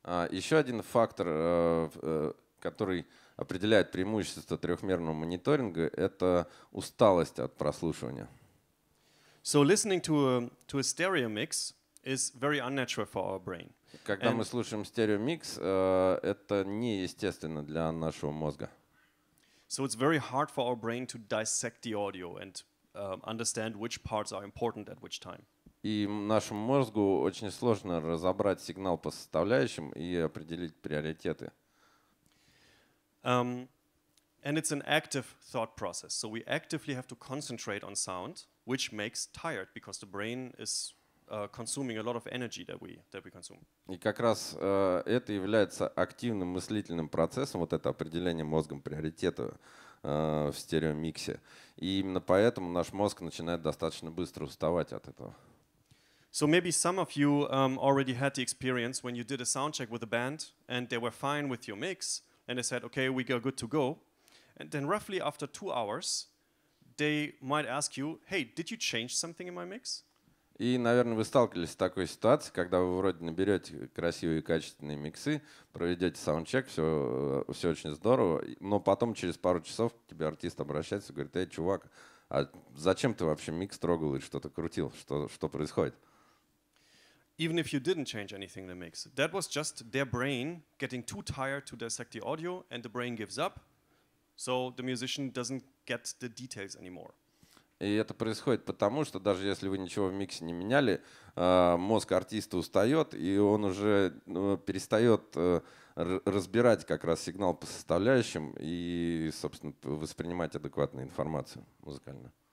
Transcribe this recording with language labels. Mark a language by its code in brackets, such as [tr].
[ru] Еще один фактор, который определяет преимущество трехмерного мониторинга, это усталость от прослушивания. [en] So listening to a stereo mix is very unnatural for our brain. [ru] Когда мы слушаем стерео микс, это неестественно для нашего мозга. [en] So it's very hard for our brain to dissect the audio and understand which parts are important at which time. [ru] И нашему мозгу очень сложно разобрать сигнал по составляющим и определить приоритеты. [en] And it's an active thought process. So we actively have to concentrate on sound, which makes tired because the brain is consuming a lot of energy that we consume. [ru] И как раз это является активным мыслительным процессом, вот это определение мозгом приоритета в стереомиксе. И именно поэтому наш мозг начинает достаточно быстро уставать от этого. [en] So maybe some of you already had the experience when you did a sound check with a band and they were fine with your mix. And they said, "Okay, we are good to go." And then, roughly after 2 hours, they might ask you, "Hey, did you change something in my mix?" [ru] И, наверное, вы сталкивались с такой ситуацией, когда вы вроде наберете красивые и качественные миксы, проведете саундчек, все очень здорово, но потом через пару часов к тебе артист обращается и говорит: "Эй, чувак, а зачем ты вообще микс трогал и что-то крутил? Что происходит?" [en] Even if you didn't change anything in the mix, that was just their brain getting too tired to dissect the audio, and the brain gives up, so the musician doesn't get the details anymore. [ru] И это происходит потому, что даже если вы ничего в миксе не меняли, мозг артиста устает, и он уже перестает разбирать как раз сигнал по составляющим и, собственно, воспринимать адекватную информацию музыкальную.